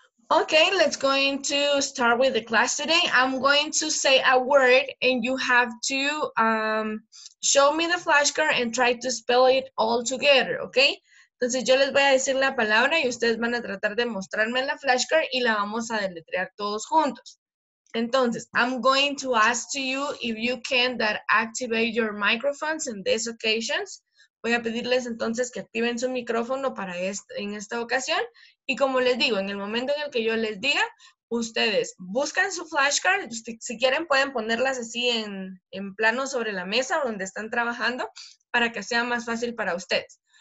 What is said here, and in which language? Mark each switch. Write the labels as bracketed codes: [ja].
[en] Okay, let's going to start with the class today. I'm going to say a word and you have to show me the flashcard and try to spell it all together, okay? [es] Entonces yo les voy a decir la palabra y ustedes van a tratar de mostrarme la flashcard y la vamos a deletrear todos juntos. [en] Entonces, I'm going to ask to you if you can that activate your microphones in these occasions. [es] Voy a pedirles entonces que activen su micrófono para en esta ocasión. Y como les digo, en el momento en el que yo les diga, ustedes buscan su flashcard. Si quieren, pueden ponerlas así en plano sobre la mesa donde están trabajando para que sea más fácil para ustedes.